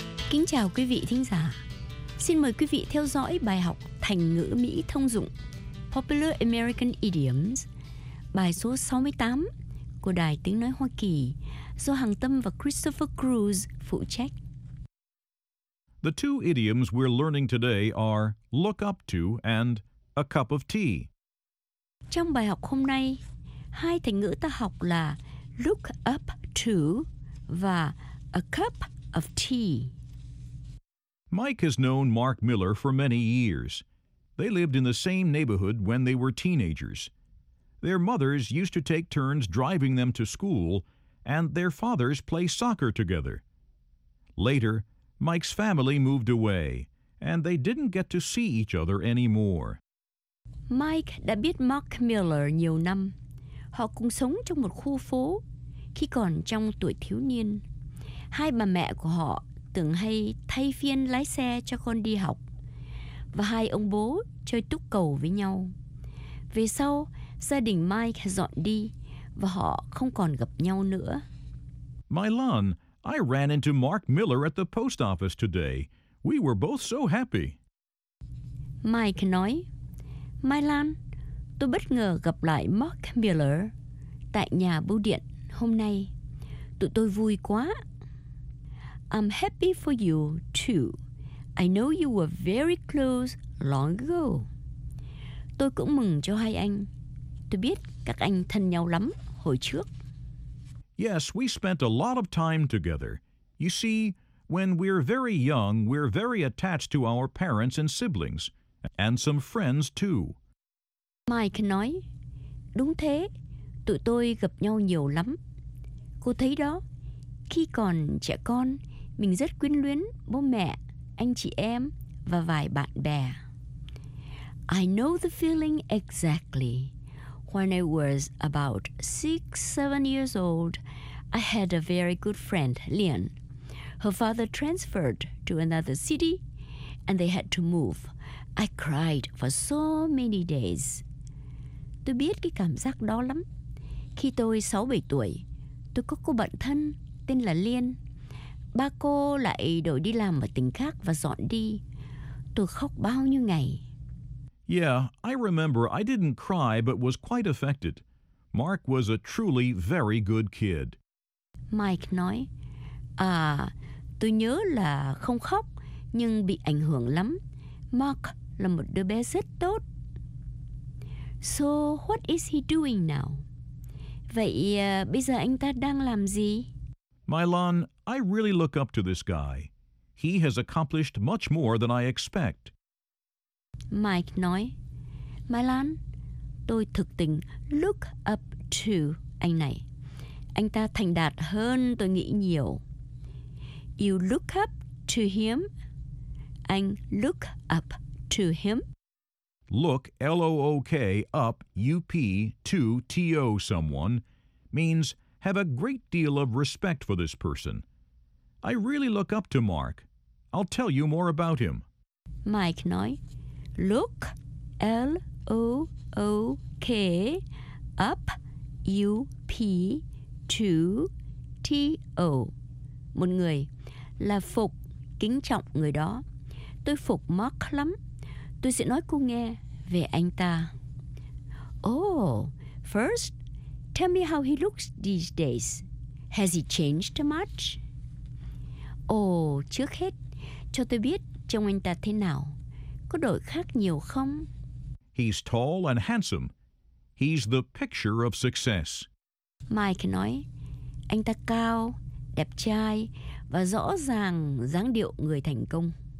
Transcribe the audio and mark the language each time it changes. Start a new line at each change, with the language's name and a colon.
Vietnamese: Kính chào quý vị thính giả. Xin mời quý vị theo dõi bài học thành ngữ Mỹ thông dụng
English: Popular American Idioms,
Vietnamese: bài số 68 của Đài Tiếng Nói Hoa Kỳ do Hằng Tâm và Christopher Cruz phụ trách.
English: The two idioms we're learning today are look up to and a cup of tea.
Vietnamese: Trong bài học hôm nay, hai thành ngữ ta học là
English: look up to
Vietnamese: và
English: a cup of tea. Mike has known Mark Miller for many years. They lived in the same neighborhood when they were teenagers. Their mothers used to take turns driving them to school, and their fathers play soccer together. Later, Mike's family moved away, and they didn't get to see each other anymore.
Vietnamese: Mike đã biết Mark Miller nhiều năm. Họ cùng sống trong một khu phố khi còn trong tuổi thiếu niên. Hai bà mẹ của họ tưởng hay thay phiên lái xe cho con đi học, và hai ông bố chơi túc cầu với nhau. Về sau, gia đình Mike dọn đi và họ không còn gặp nhau nữa.
English: Mylon, I ran into Mark Miller at the post office today. We were both so happy.
Vietnamese: Mike nói, Mylon, tôi bất ngờ gặp lại Mark Miller tại nhà bưu điện hôm nay. Tụi tôi vui quá.
English: I'm happy for you, too. I know you were very close long ago.
Vietnamese: Tôi cũng mừng cho hai anh. Tôi biết các anh thân nhau lắm hồi trước.
English: Yes, we spent a lot of time together. You see, when we're very young, we're very attached to our parents and siblings, and some friends, too.
Vietnamese: Mike nói, đúng thế, tụi tôi gặp nhau nhiều lắm. Cô thấy đó, khi còn trẻ con, mình rất quyến luyến bố mẹ, anh chị em và vài bạn bè.
English: I know the feeling exactly. When I was about 6-7 years old, I had a very good friend, Lian. Her father transferred to another city and they had to move. I cried for so many days.
Vietnamese: Tôi biết cái cảm giác đó lắm. Khi tôi 6-7 tuổi, tôi có cô bạn thân tên là Lian. Ba cô lại đổi đi làm ở tỉnh khác và dọn đi. Tôi khóc bao nhiêu ngày.
English: Yeah, I remember I didn't cry but was quite affected. Mark was a truly very good kid.
Vietnamese: Mike nói, à, tôi nhớ là không khóc nhưng bị ảnh hưởng lắm. Mark là một đứa bé rất tốt.
English: So, what is he doing now?
Vietnamese: Vậy bây giờ anh ta đang làm gì?
English: Mylon, I really look up to this guy. He has accomplished much more than I expect.
Vietnamese: Mike nói, Mylon, tôi thực tình
English: look up to
Vietnamese: anh này. Anh ta thành đạt hơn tôi nghĩ nhiều.
English: You look up to him? Anh look up to him? Look, L-O-O-K, up, U-P, to, T-O someone, means have a great deal of respect for this person. I really look up to Mark. I'll tell you more about him. Mike nói, look, L-O-O-K, up, U-P, to, T-O.
Vietnamese: Một người là phục, kính trọng người đó. Tôi phục Mark lắm. Tôi sẽ nói cô nghe về anh ta.
English: Oh, first, tell me how he looks these days. Has he changed much?
Vietnamese: Oh, trước hết, cho tôi biết trông anh ta thế nào. Có đổi khác nhiều không?
English: He's tall and handsome. He's the picture of success.
Vietnamese: Mike nói, anh ta cao, đẹp trai và rõ ràng dáng điệu người thành công.